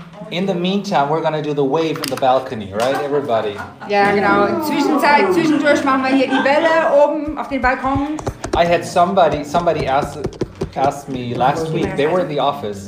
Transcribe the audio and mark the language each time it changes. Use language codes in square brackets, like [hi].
[en] In the meantime, we're going to do the wave from the balcony, right, everybody? [de] Yeah, genau. Zwischendurch machen wir hier die Welle oben auf den Balkon. [en] I had somebody asked me last week, they were in the office.